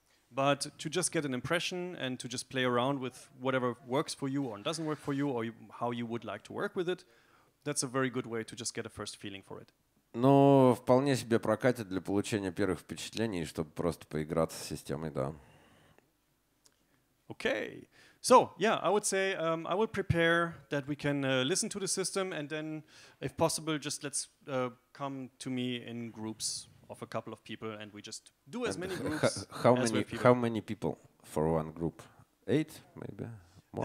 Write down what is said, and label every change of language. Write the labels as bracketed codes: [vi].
[en] But to just get an impression and to just play around with whatever works for you or doesn't work for you or how you would like to work with it, that's a very good way to just get a first feeling for it. [ru] Но вполне себе прокатит для получения первых впечатлений, чтобы просто поиграться с системой, да. [en] Okay. So, yeah, I would say I would prepare that we can listen to the system and then, if possible, just let's come to me in groups of a couple of people and we just do as many groups how many, as we How many people for one group? 8, maybe? More?